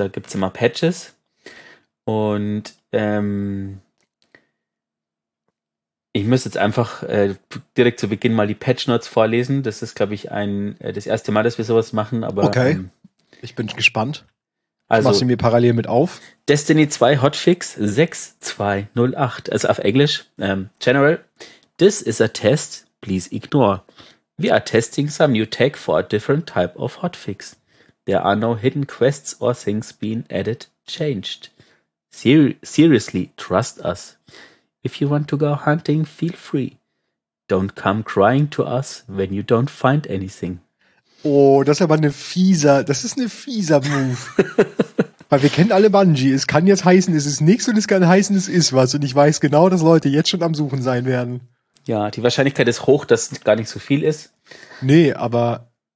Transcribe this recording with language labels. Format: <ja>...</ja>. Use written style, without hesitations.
<de>Da gibt es immer Patches und ich muss jetzt einfach direkt zu Beginn mal die Patch-Notes vorlesen. Das ist, glaube ich, das erste Mal, dass wir sowas machen. Aber, okay, ich bin gespannt. Also, machst du mir parallel mit auf? Destiny 2 Hotfix 6208, also auf Englisch.</de> <en>General, this is a test, please ignore. We are testing some new tech for a different type of hotfix. There are no hidden quests or things being added, changed. Seriously, trust us. If you want to go hunting, feel free. Don't come crying to us when you don't find anything.</en> <de>Oh, das ist aber ein fieser Move. Weil wir kennen alle Bungie. Es kann jetzt heißen, es ist nichts und es kann heißen, es ist was. Und ich weiß genau, dass Leute jetzt schon am Suchen sein werden. Ja, die Wahrscheinlichkeit ist hoch, dass gar nicht so viel ist. Nee, aber</de>